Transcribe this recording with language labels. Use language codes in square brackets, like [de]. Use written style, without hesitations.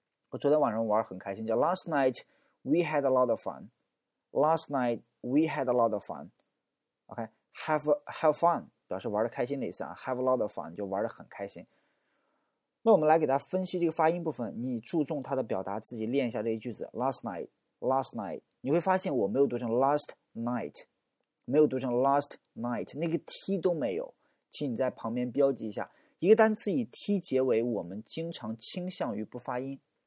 [en] 我昨天晚上玩很开心，叫 Last night we had a lot of fun. Last night we had a lot of fun. [zh] OK, have fun 表示玩的开心的意思啊。 [en] Have a lot of fun 就玩的很开心。 [zh] 那我们来给大家分析这个发音部分，你注重它的表达，自己练一下这一句子。 Last night, 你会发现我没有读成 last night， 没有读成 last night， 那个 T 都没有，请你在旁边标记一下。一个单词以 T 结尾，我们经常倾向于不发音。